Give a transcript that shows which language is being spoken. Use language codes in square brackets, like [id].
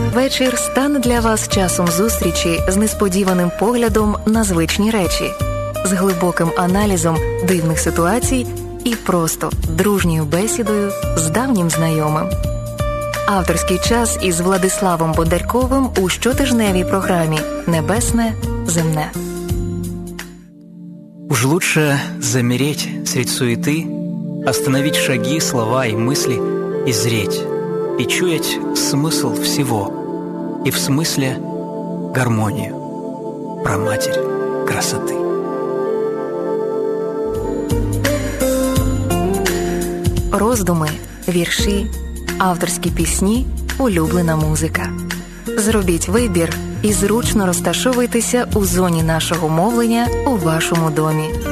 [uk] вечір стане для вас часом зустрічі з несподіваним поглядом на звичні речі, з глибоким аналізом дивних ситуацій і просто дружньою бесідою з давнім знайомим. Авторський час із Владиславом Бондарковим у щотижневій програмі «Небесне, земне». [ru] Уж лучше замереть средь суеты, остановить шаги, слова и мысли, и зреть, и чуять смысл всего, и в смысле гармонию, праматерь красоты. [uk] Роздуми, вірші, авторські пісні, улюблена музика. Зробіть вибір і зручно розташовуйтеся у зоні нашого мовлення у вашому домі.